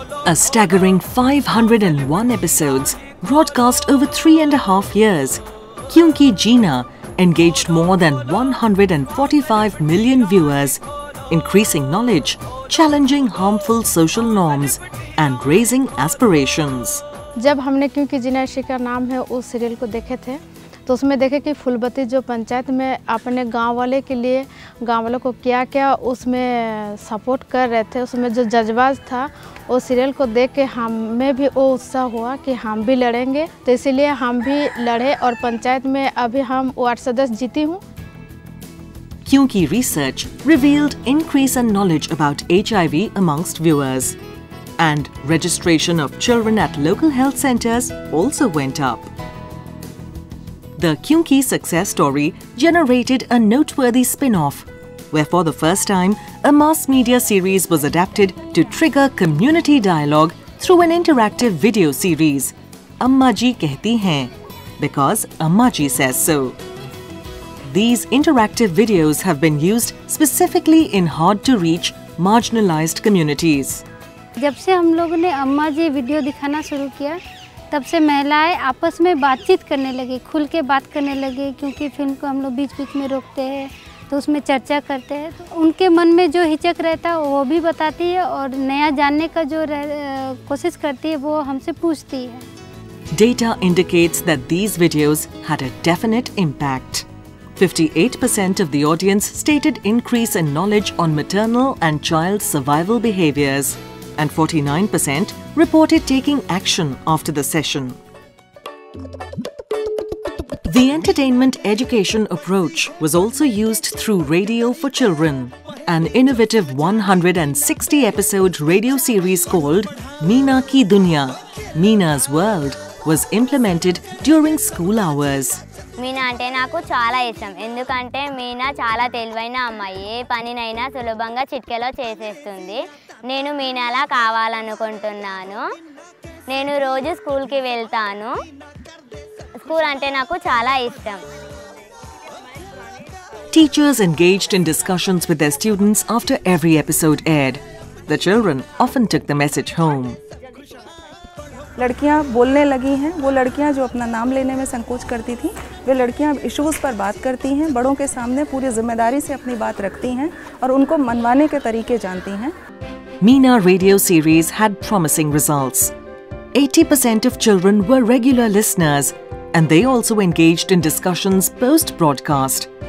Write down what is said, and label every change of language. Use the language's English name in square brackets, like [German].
[English] A staggering 501 episodes, broadcast over 3.5 years, Kyunki Jeena engaged more than 145 million viewers, increasing knowledge, challenging harmful social norms, and raising aspirations. [Hindi] जब हमने क्योंकि जीना इसी का नाम है उस सीरियल को देखे थे तो उसमें देखे कि फुलबती जो पंचायत में अपने गांव वाले के लिए गांव वालों को क्या क्या उसमें सपोर्ट कर रहे थे, उसमें जो जज्बाज था उस सीरियल को देख के हमें भी वो उत्साह हुआ कि हम भी लड़ेंगे, तो इसीलिए हम भी लड़े और पंचायत में अभी हम वार्ड सदस्य जीती हूँ. [English] क्योंकि research revealed increase in knowledge about HIV amongst viewers. And registration of children at local health centers also went up. The Kyunki success story generated a noteworthy spin-off, where for the first time, a mass media series was adapted to trigger community dialogue through an interactive video series, Amma Ji Kehti Hain, because Amma Ji says so. These interactive videos have been used specifically in hard-to-reach, marginalized communities. [Hindi] जब से हम लोगों ने अम्मा जी video दिखाना शुरू किया तब से महिलाएं आपस में बातचीत करने लगी, खुल के बात करने लगे, क्योंकि फिल्म को हम लोग बीच बीच में रोकते हैं तो उसमें चर्चा करते हैं, तो उनके मन में जो हिचक रहता है वो भी बताती है और नया जानने का जो कोशिश करती है वो हमसे पूछती है. [English] Data indicates that these videos had a definite impact. 58% of the audience stated increase in knowledge on maternal and child survival behaviours. And 49% reported taking action after the session. The entertainment education approach was also used through Radio for Children, an innovative 160-episode radio series called Meena Ki Dunya, Meena's World, was implemented during school hours. [Telugu] Meena అంటే నాకు చాలా ఇష్టం, ఎందుకంటే మీనా చాలా తెలివైన అమ్మాయి, ఏ పనినైనా సులభంగా చిట్కెలో చేసేస్తుంది. నేను మీనాలా కావాలనుకుంటున్నాను. నేను రోజు స్కూల్కి వెళ్తాను. స్కూల్ అంటే నాకు చాలా ఇష్టం. [English] Teachers engaged in discussions with their students after every episode aired. The children often took the message home. [Hindi] लड़कियां बोलने लगी हैं, वो लड़कियां जो अपना नाम लेने में संकोच करती थी, वे लड़कियां अब इश्यूज़ पर बात करती हैं, बड़ों के सामने पूरी जिम्मेदारी से अपनी बात रखती हैं और उनको मनवाने के तरीके जानती हैं. [English] Meena radio series had promising results. 80% of children were regular listeners and they also engaged in discussions post broadcast.